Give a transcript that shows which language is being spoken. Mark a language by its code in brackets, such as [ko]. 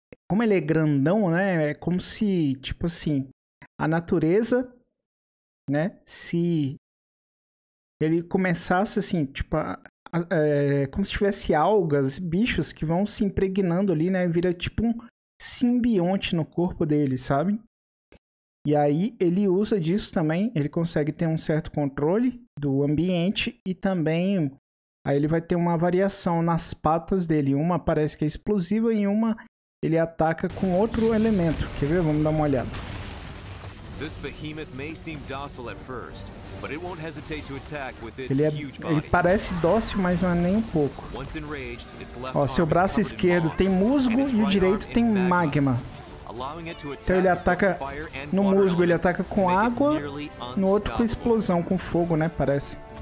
[pt] Como ele é grandão, né? É como se, tipo assim... A natureza, né, se ele começasse assim, tipo, como se tivesse algas, bichos que vão se impregnando ali, né, vira tipo um simbionte no corpo dele, sabe? E aí ele usa disso também, ele consegue ter um certo controle do ambiente e também aí ele vai ter uma variação nas patas dele. Uma parece que é explosiva e uma ele ataca com outro elemento. Quer ver? Vamos dar uma olhada. [en] This behemoth may seem docile at first, but it won't hesitate to attack with its huge body. [pt] Ele parece dócil, mas não é nem um pouco. Ó, seu braço esquerdo tem musgo e o direito tem magma. Então ele ataca no musgo, ele ataca com água, no outro com explosão, com fogo, né? Parece.